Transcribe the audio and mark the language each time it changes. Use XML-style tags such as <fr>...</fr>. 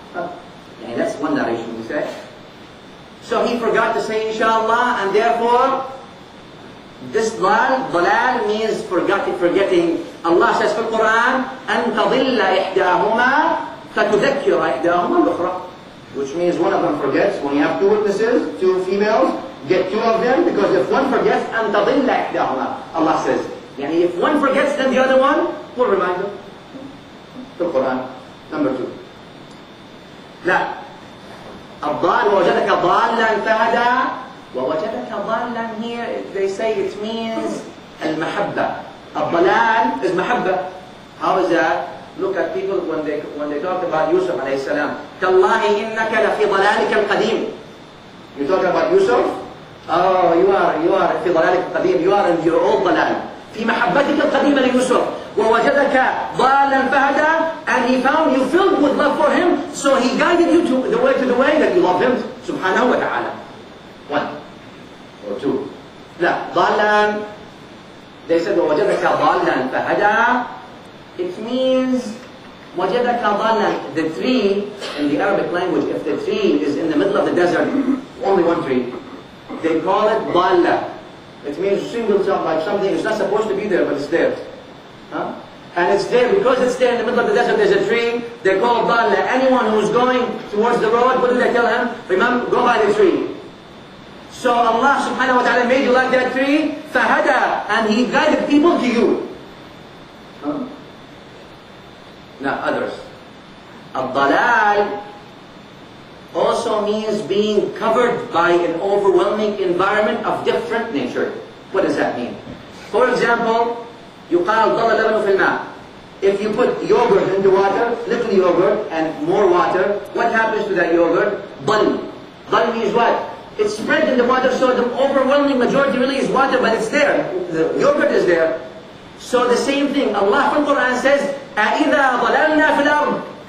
<en>Yeah, that's one narration he said. So he forgot to say inshallah, and therefore this dhalal means forgetting. Allah says in the Quran,</en> <ar>أن تضل إحداهما فتذكر إحداهما الأخرى.</ar> <en>Which means one of them forgets. When you have two witnesses, two females, get two of them, because if one forgets,</en> <ar>أن تضل إحداهما,</ar> <en>Allah says. يعني if one forgets, then the other one will remind them. The Quran, number two. لا.</en> <ar>الضال ووجدك ضالا فهدى ووجدك ضالا.</ar> <en>Here they say it means المحبة.</en> <ar>الضلال is محبة.</ar> <en>How is that? Look at people when they talk about Yusuf عليه السلام.</en> <ar>تالله إنك لفي ضلالك القديم.</ar> <en>You talk about Yusuf? Oh, you are</en> <ar>في ضلالك القديم.</ar> <en>You are in your old ضلال.</en> <ar>في محبتك القديمة ليوسف. ووجدك ضالا فهدى.</ar> <en>And he found you filled with love for him. So he guided you to the way that you love him.</en> <ar>سبحانه وتعالى.</ar> <en>One or two.</en> <ar>لا ضالا.</ar> <en>They said</en> <ar>وجدك ضالا فهدى.</ar> <en>It means</en> <ar>وجدك ضالا.</ar> <en>The tree in the Arabic language, if the tree is in the middle of the desert, only one tree, they call it ضالا. It means single self, like something it's not supposed to be there, but it's there. Huh? And it's there because it's there in the middle of the desert. There's a tree. They call ضالا. Anyone who's going towards the road, what do they tell him? Remember, go by the tree. So Allah subhanahu wa ta'ala made you like that tree, فَهَدَى, and he guided people to you. Huh? Now others. الضلال also means being covered by an overwhelming environment of different nature. What does that mean? For example,</en> <ar>يُقَالْ ضَلَ لَبَنُ فِي الْمَاء.</ar> <en>If you put yogurt into water, little yogurt and more water, what happens to that yogurt?</en> <ar>ضَل.</ar> <en>ضَل means what? It's spread in the water, so the overwhelming majority really is water, but it's there. The yogurt is there. So the same thing, Allah from Quran says,</en> <ar>أَإِذَا ضَلَلْنَا فِي الْأَرْضِ.</ar>